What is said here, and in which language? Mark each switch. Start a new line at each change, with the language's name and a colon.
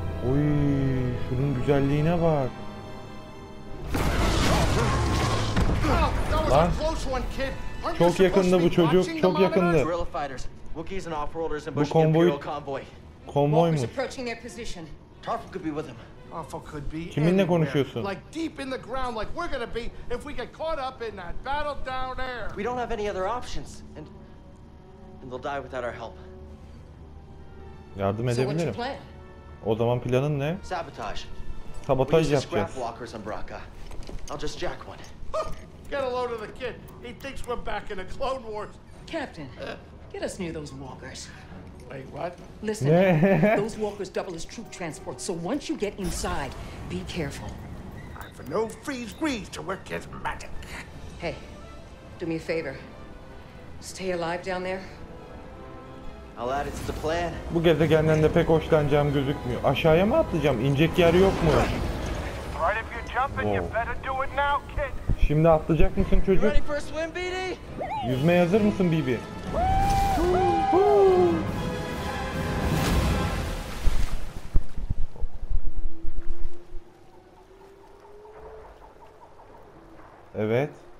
Turkish: Oy, şunun güzelliğine bak. Lan. Çok yakında bu çocuk, çok yakında.
English: Wookiees and off-roaders ambushed the Imperial convoy.
Turkish: Konvoy mu?
English: Tarful could be with him. Tarful could be.
Turkish: Kiminle konuşuyorsun?
English: Like deep in the ground, like we're gonna be if we get caught up in that battle down there. We don't have any other options, and they'll die without our help.
Turkish: Yardım edebilirim. O zaman planın ne?
English: Sabotage.
Turkish: Sabotaj yapacağız.
English: Scrap walkers on Braca. I'll just jack one. Get a load of the kid. He thinks we're back in the Clone Wars. Captain. Get us near those walkers. Wait, what? Listen, those walkers double as troop transport, so once you get inside, be careful. I've no freeze grease to work his magic. Hey, do me a favor. Stay alive down there. I'll add it to the plan.
Turkish: Bu gezegenden de pek hoşlanacağım gözükmüyor. Aşağıya mı atlayacağım? İnecek yer yok mu?
English: Right if you're jumping, you better do it now, kid.
Turkish: Şimdi atlayacak mısın çocuk?
English: Ready for a swim, BD?
Turkish: Yüzmeye hazır mısın BB? Evet.